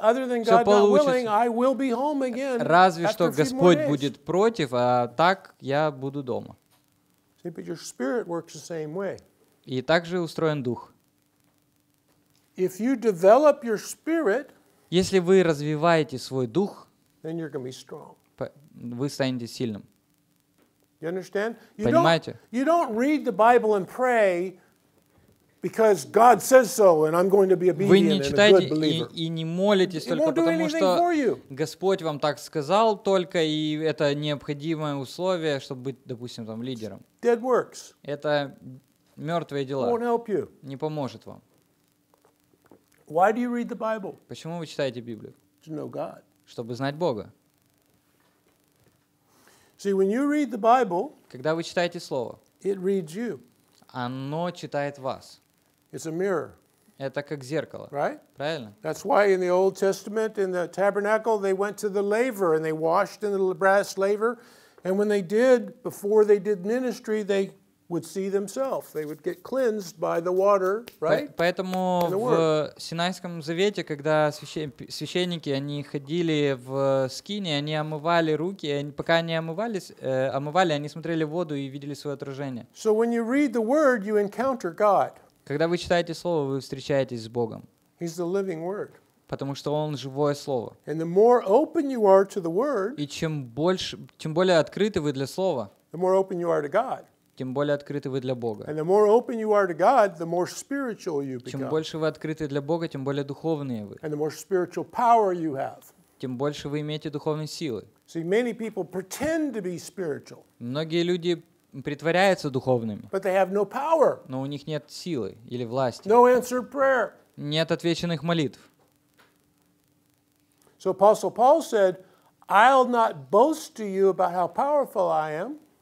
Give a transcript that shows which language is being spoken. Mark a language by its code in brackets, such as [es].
[en] Other than God not willing, I will be home again. [ru] Разве что Господь будет против, а так я буду дома. [en] See, but your spirit works the same way. [ru] И также устроен дух. [en] If you develop your spirit, [ru] если вы развиваете свой дух, [en] then you're going to be strong. [ru] Вы станете сильным. [en] You understand? You [ru] понимаете? [en] You don't read the Bible and pray because God says so, and I'm going to be obedient. [ru] Вы не читаете [en] and a good believer. [ru] И не молитесь только потому, что Господь вам так сказал только, и это необходимое условие, чтобы быть, допустим, там лидером. [en] Dead works. [ru] Это мертвые дела. [en] Won't help you. [ru] Не поможет вам. [en] Why do you read the Bible? [ru] Почему вы читаете Библию? [en] To know God. [ru] Чтобы знать Бога. [en] See, when you read the Bible, [ru] когда вы читаете Слово, [en] it reads you. [ru] Оно читает вас. [en] It's a mirror. [ru] Это как зеркало. [en] Right? [ru] Правильно? [en] That's why in the Old Testament, in the tabernacle, they went to the laver and they washed in the brass laver. And when they did, before they did ministry, they would see themselves. They would get cleansed by the water, right? [ru] Поэтому в Синайском Завете, когда священники, они ходили в скинии, они омывали руки, они, пока они омывались, омывали, они смотрели в воду и видели свое отражение. [en] So when you read the word, you encounter God. [ru] Когда вы читаете Слово, вы встречаетесь с Богом. [en] He's the living word. [ru] Потому что Он живое Слово. [en] And the more open you are to the word, [ru] и чем больше, тем более открыты вы для Слова, [en] the more open you are to God. [ru] Тем более открыты вы для Бога. [en] And the more open you are to God, the more spiritual you become. [ru] Чем больше вы открыты для Бога, тем более духовные вы. [en] And the more spiritual power you have. [ru] Тем больше вы имеете духовной силы. [en] See, many people pretend to be spiritual. [ru] Многие люди притворяются духовными. [en] But they have no power. [ru] Но у них нет силы или власти. [en] No answered prayer. [ru] Нет отвеченных молитв. [en] So Apostle Paul said, "I'll not boast to you about how powerful I am."